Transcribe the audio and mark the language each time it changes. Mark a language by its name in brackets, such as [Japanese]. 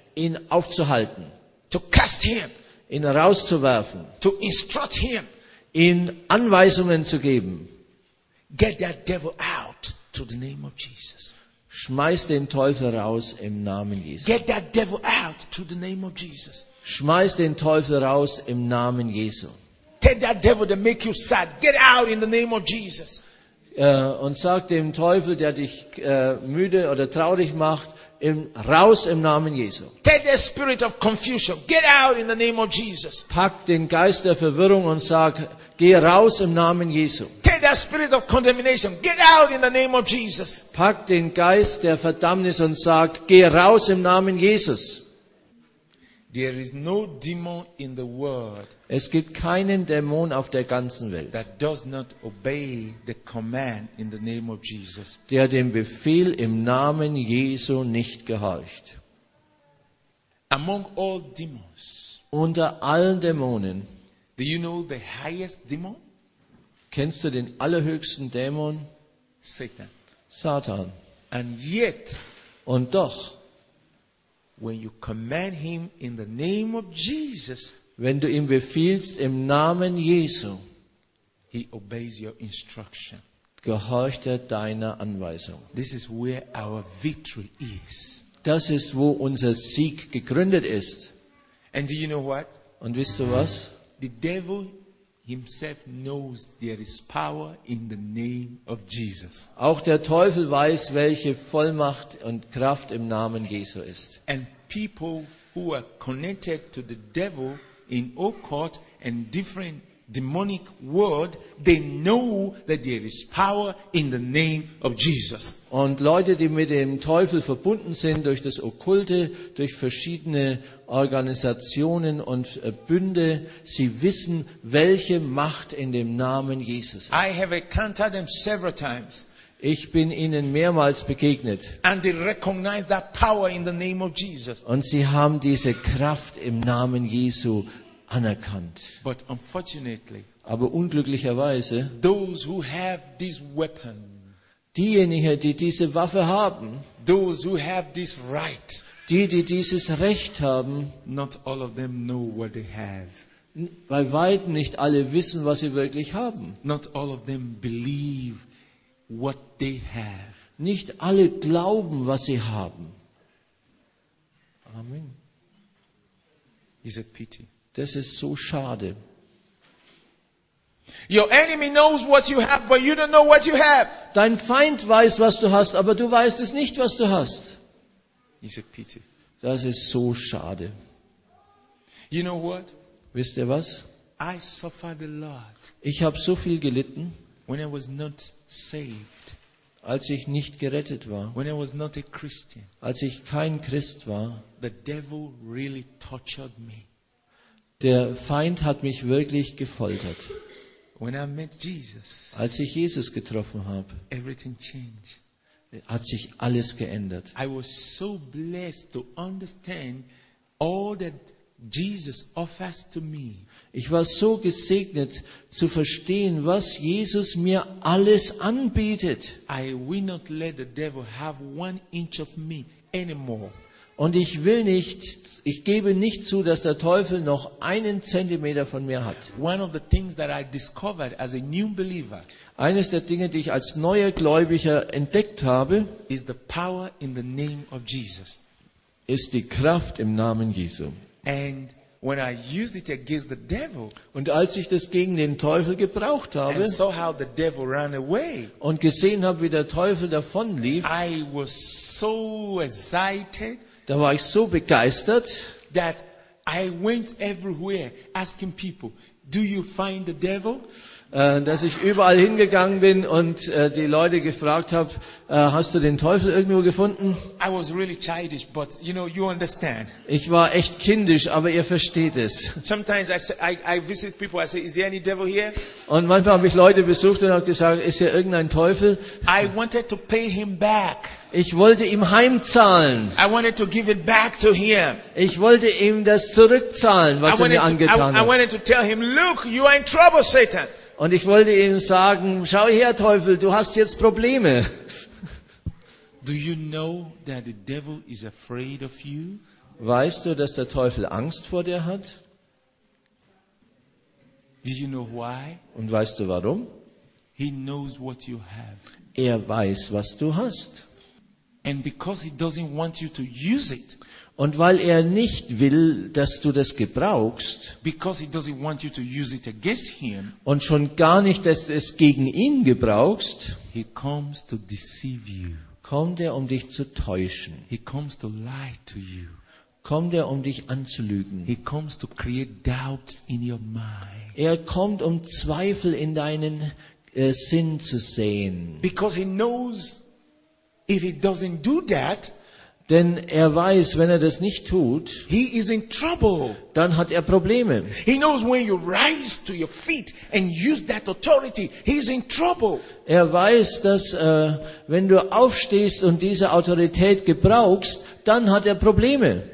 [German] ihn aufzuhalten. [English] To cast him, [German] ihn rauszuwerfen. [English] To instruct him, [German] ihn Anweisungen zu geben. [English] Get that devil out through the name of Jesus. [German] Schmeiß den Teufel raus im Namen Jesu. [English] Get that devil out through the name of Jesus. [German] Schmeiß den Teufel raus im Namen Jesu. [English] Tell that devil to make you sad. Get out in the name of Jesus. [German] Und sag dem Teufel, der dich müde oder traurig macht, raus im Namen Jesu. [English] Take the spirit of confusion. Get out in the name of Jesus. [German] Pack den Geist der Verwirrung und sag, geh raus im Namen Jesu. [English] Take the spirit of condemnation. Get out in the name of Jesus. [German] Pack den Geist der Verdammnis und sag, geh raus im Namen Jesus. [English] There is no demon in the world. [German] Es gibt keinen Dämon auf der ganzen Welt. [English] That does not obey the command in the name of Jesus. [German] Der dem Befehl im Namen Jesu nicht gehorcht. [English] Among all demons. [German] Unter allen Dämonen. [English] Do you know the highest demon? [German] Kennst du den allerhöchsten Dämon? [English] Satan. [German] Satan. [English] And yet. [German] Und doch. [English] When you command him in the name of Jesus, [German] wenn du ihm befiehlst im Namen Jesu, [English] he obeys your instruction. [German] Gehorcht er deiner Anweisung. [English] This is where our victory is. [German] Das ist, wo unser Sieg gegründet ist. [English] And do you know what? [German] Und wisst du was? [English] the devil himself knows there is power in the name of Jesus. [German] Auch der Teufel weiß, welche Vollmacht und Kraft im Namen Jesu ist. [English] And people who are connected to the devil in occult and different demonic world, they know that there is power in the name of Jesus. [German] Und Leute, die mit dem Teufel verbunden sind durch das Okkulte, durch verschiedene Organisationen und Bünde, sie wissen, welche Macht in dem Namen Jesus ist. [English] I have encountered them several times. [German] Ich bin ihnen mehrmals begegnet. [English] And they recognize that power in the name of Jesus. [German] Und sie haben diese Kraft im Namen Jesu anerkannt. [English] But unfortunately, [German] aber unglücklicherweise, [English] those who have this weapon, [German] diejenigen, die diese Waffe haben, [English] those who have this right, [German] die dieses Recht haben, [English] not all of them know what they have. [German] Bei weitem nicht alle wissen, was sie wirklich haben. [English] Not all of them believe what they have. [German] Nicht alle glauben, was sie haben. [English] Amen. It's a pity. [German] Das ist so schade. [English] Your enemy knows what you have, but you don't know what you have. [German] Dein Feind weiß, was du hast, aber du weißt es nicht, was du hast. [English] It's a pity. [German] Das ist so schade. [English] You know what? [German] Wisst ihr was? [English] I suffered a lot. [German] Ich habe so viel gelitten. [English] When I was not saved. [German] Als ich nicht gerettet war. [English] When I was not a Christian. [German] Als ich kein Christ war. [English] The devil really tortured me. [German] Der Feind hat mich wirklich gefoltert. [English] When I met Jesus, [German] als ich Jesus getroffen habe, [English] everything changed. [German] Hat sich alles geändert. [English] I was so blessed to understand all that Jesus offers to me. [German] Ich war so gesegnet zu verstehen, was Jesus mir alles anbietet. [English] I will not let the devil have one inch of me anymore. [German] Und ich will nicht, ich gebe nicht zu, dass der Teufel noch einen Zentimeter von mir hat. [English] One of the things that I discovered as a new believer, [German] eines der Dinge, die ich als neuer Gläubiger entdeckt habe, [English] is the power in the name of Jesus. [German] Ist die Kraft im Namen Jesu. [English] And when I used it against the devil, [German] und als ich das gegen den Teufel gebraucht habe [English] and saw how the devil ran away, [German] und gesehen habe, wie der Teufel davonlief, [English] I was so excited, [German] da war ich so begeistert, [English] that I went everywhere asking people, do you find the devil? [German] Dass ich überall hingegangen bin und die Leute gefragt habe, hast du den Teufel irgendwo gefunden? [English] I was really childish, but you know, you understand. [German] Ich war echt kindisch, aber ihr versteht es. [English] Sometimes I visit people, I say, is there any devil here? [German] Und manchmal habe ich Leute besucht und habe gesagt, ist hier irgendein Teufel? [English] I wanted to pay him back. [German] Ich wollte ihm heimzahlen. [English] I wanted to give it back to him. [German] Ich wollte ihm das zurückzahlen, was er mir angetan hat. [English] I wanted to tell him, look, you are in trouble, Satan. [German] Und ich wollte ihm sagen, schau her, Teufel, du hast jetzt Probleme. [English] Do you know that the devil is afraid of you? [German] Weißt du, dass der Teufel Angst vor dir hat? [English] Do you know why? [German] Und weißt du warum? [English] He knows what you have. [German] Er weiß, was du hast. [English] And because he doesn't want you to use it. [German] Und weil er nicht will, dass du das gebrauchst. [English] Because he doesn't want you to use it against him. [German] Und schon gar nicht, dass du es gegen ihn gebrauchst. [English] He comes to deceive you. [German] Kommt er, um dich zu täuschen. [English] He comes to lie to you. [German] Kommt er, um dich anzulügen. [English] He comes to create doubts in your mind. [German] Er kommt, um Zweifel in deinen Sinn zu sehen. [English] Because he knows, if he doesn't do that, [German] denn er weiß, wenn er das nicht tut, [English] he is in trouble. [German] Dann hat er Probleme. [English] He knows when you rise to your feet and use that authority, he is in trouble. [German] Er weiß, dass wenn du aufstehst und diese Autorität gebrauchst, dann hat er Probleme.